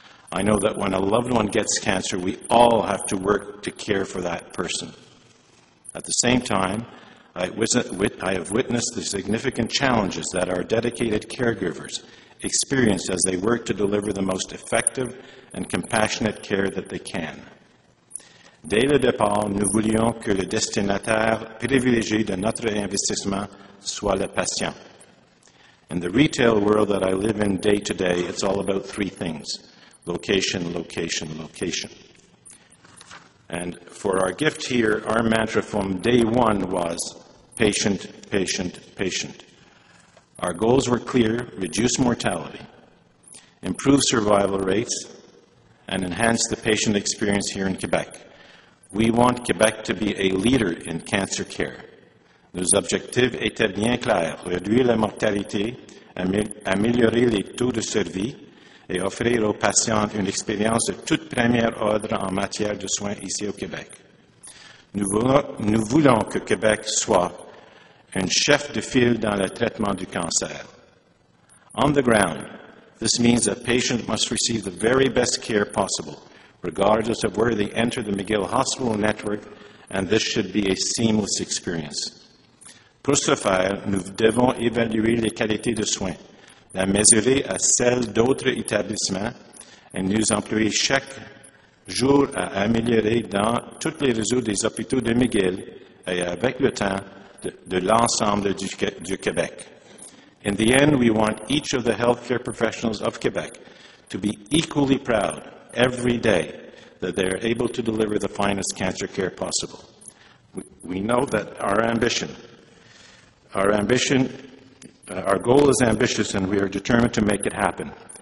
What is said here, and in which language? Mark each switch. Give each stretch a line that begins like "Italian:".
English: I know that when a loved one gets cancer, we all have to work to care for that person. At the same time, I have witnessed the significant challenges that our dedicated caregivers experience as they work to deliver the most effective and compassionate care that they can.
French: Dès le départ, nous voulions que le destinataire privilégié de notre investissement soit le patient.
English: In the retail world that I live in day to day, it's all about three things: location, location, location. And for our gift here, our mantra from day one was patient, patient, patient. Our goals were clear: reduce mortality, improve survival rates, and enhance the patient experience here in Quebec. We want Quebec to be a leader in cancer care.
French: Nos objectifs étaient bien clairs: réduire la mortalité, améliorer les taux de survie, et offrir aux patients une expérience de toute première ordre en matière de soins ici au Québec. Nous voulons que Québec soit un chef de file dans le traitement du cancer.
English: On the ground, this means that patients must receive the very best care possible, regardless of where they enter the McGill Hospital Network, and this should be a seamless experience.
French: Pour ce faire, nous devons évaluer les qualités de soins, la mesurer à celle d'autres établissements et nous employer chaque jour à améliorer dans tous les réseaux des hôpitaux de McGill et avec le temps de l'ensemble du Québec.
English: In the end, we want each of the healthcare professionals of Quebec to be equally proud every day that they are able to deliver the finest cancer care possible. We know that our goal is ambitious, and we are determined to make it happen.